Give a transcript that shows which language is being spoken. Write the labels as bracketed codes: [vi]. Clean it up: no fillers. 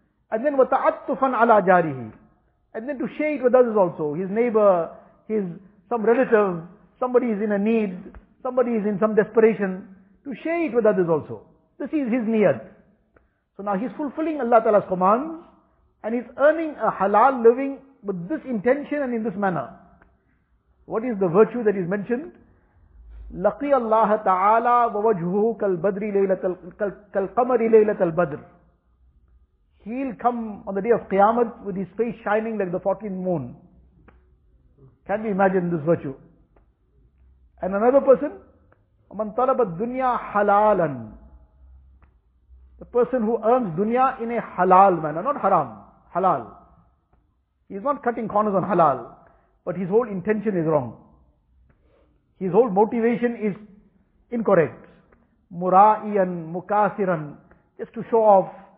[en] And then [ar] وَتَعَطُّفًا عَلَىٰ جَارِهِ, [en] and then to share it with others also, his neighbor, his some relative, somebody is in a need, somebody is in some desperation, to share it with others also. This is his niyat. So now he's fulfilling Allah Ta'ala's commands, and he's earning a halal living with this intention and in this manner. What is the virtue that is mentioned? [ar] لقي الله تعالى ووجهه كالبدر ليلة كالقمر ليلة البدر. [en] He'll come on the day of Qiyamah with his face shining like the 14th moon. Can we imagine this virtue? And another person, [ar] من طلب الدنيا حلالا. [en] The person who earns dunya in a halal manner, not haram, halal. He's not cutting corners on halal. But his whole intention is wrong. His whole motivation is incorrect. Mura'iyan, mukasiran, just to show off.